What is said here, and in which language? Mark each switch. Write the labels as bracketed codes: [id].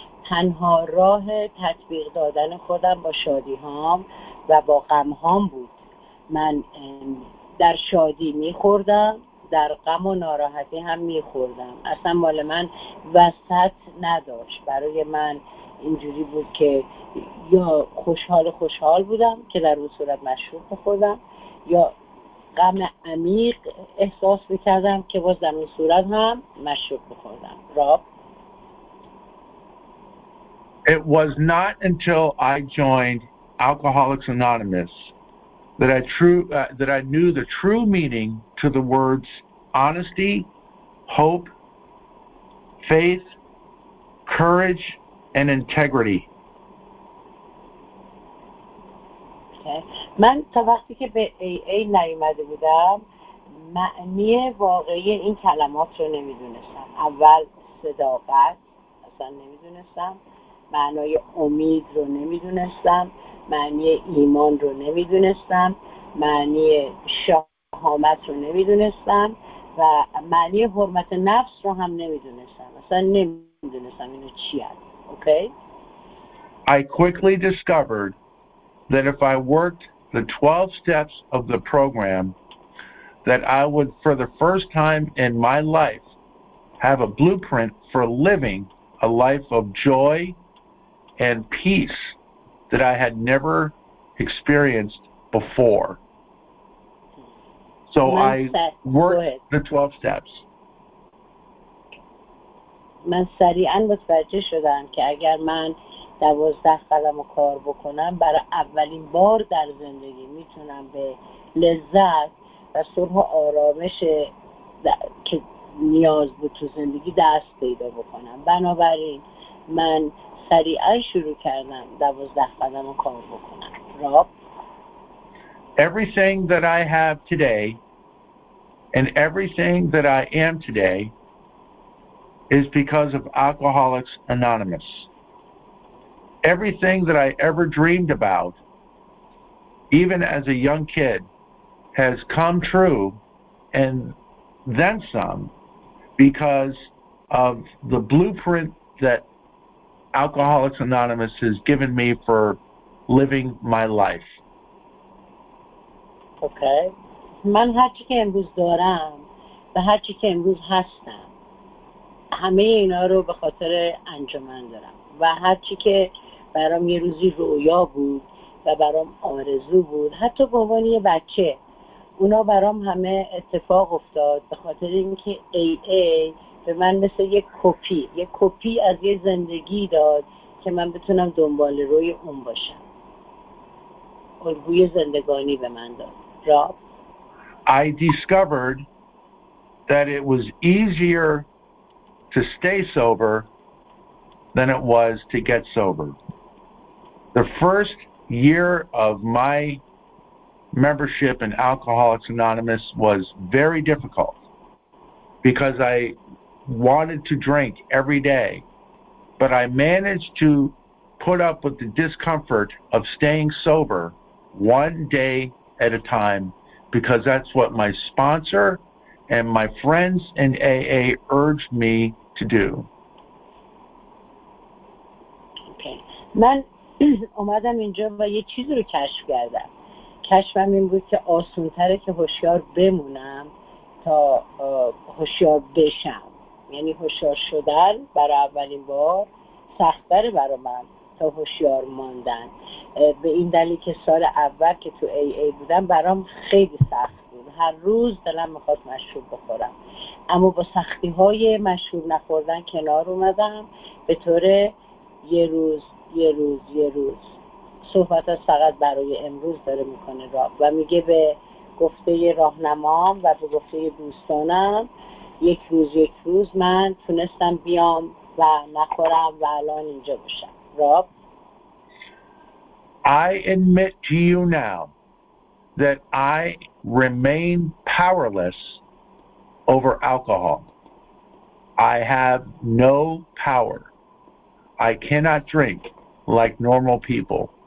[fa] تنها راه تطبیق دادن خودم با شادی هام و با غم هام بود من در شادی میخوردم در غم و ناراحتی هم میخوردم اصلا مال من وسط نداشت برای من اینجوری بود که یا خوشحال بودم که در اون صورت مشروب میخوردم یا غم عمیق احساس میکردم که باز در اون صورت هم مشروب بخوردم. راب [en] It was not until I joined Alcoholics Anonymous that I knew the true meaning to the words honesty, hope, faith, courage, and integrity. Okay. [fa] من تا وقتی که به AA نیومده بودم معنی واقعی این کلمات رو نمیدونستم. اول صداقت اصلا نمیدونستم. معنای امید رو نمیدونستم. معنی ایمان رو نمیدونستم. معنی شهامت رو نمیدونستم و معنی حرمت نفس رو هم نمیدونستم. اصلا نمیدونستم اینو چی هست. [en] Okay? I quickly discovered that if I worked the 12 steps of the program, that I would, for the first time in my life, have a blueprint for living a life of joy and peace that I had never experienced before. So I worked the 12 steps. [fa] من سریعاً متوجه شدم که اگر من 12 قدم رو کار بکنم برای اولین بار در زندگی میتونم به لذت و صلح و آرامش که نیاز بود تو زندگی دست پیدا بکنم. بنابراین من سریعاً شروع کردم 12 قدم رو کار بکنم. راب [en] Everything that I have today and everything that I am today is because of Alcoholics Anonymous. Everything that I ever dreamed about, even as a young kid, has come true and then some because of the blueprint that Alcoholics Anonymous has given me for living my life. Okay. [fa] من هرچی که امروز دارم و هرچی که امروز هستم همه اینا رو به خاطر انجمن دارم و هرچی که برام یه روزی رویا بود و برام آرزو بود حتی به عنوان یه بچه اونا برام همه اتفاق افتاد به خاطر اینکه AA به من مثل یه کپی از یه زندگی داد که من بتونم دنبال روی اون باشم الگوی زندگانی به من داد راب [en] I discovered that it was easier to stay sober than it was to get sober. The first year of my membership in Alcoholics Anonymous was very difficult because I wanted to drink every day, but I managed to put up with the discomfort of staying sober one day at a time because that's what my sponsor and my friends in AA urged me to do. Okay. [fa] من اومدم اینجا و یه چیزی رو کشف کردم. کشفم این بود که آسان‌تره که هوشیار بمونم تا هوشیار بشم. یعنی هوشیار شدن برای اولین بار سخت‌تر برای من. هوشیار ماندن به این دلیل که سال اول که تو ای ای بودم برام خیلی سخت بود هر روز دلم میخواد مشروب بخورم اما با سختی های مشروب نخوردن کنار اومدم به طور یه روز صحبت از فقط برای امروز داره میکنه را و میگه به گفته راهنمام و به گفته دوستانم یک روز من تونستم بیام و نخورم و الان اینجا باشم Rob? [en] I admit to you now that I remain powerless over alcohol. I have no power. I cannot drink like normal people.